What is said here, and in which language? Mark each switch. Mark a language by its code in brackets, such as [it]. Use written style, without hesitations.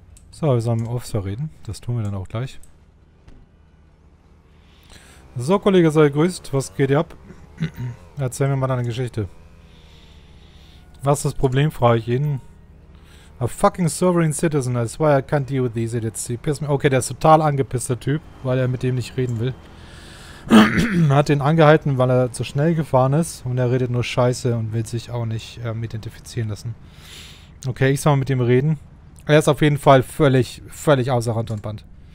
[de] So, wir sollen mit dem Officer reden. Das tun wir dann auch gleich. So, Kollege, sei gegrüßt. Was geht dir ab? Erzähl mir mal deine Geschichte. Was ist das Problem, frage ich ihn. [en] A fucking sovereign citizen, I swear I can't deal with these idiots. He pissed me. [de] Okay, der ist total angepisst, der Typ, weil er mit dem nicht reden will. Hat den angehalten, weil er zu schnell gefahren ist und er redet nur Scheiße und will sich auch nicht identifizieren lassen. Okay, ich soll mal mit ihm reden. Er ist auf jeden Fall völlig, völlig außer Rand und Band.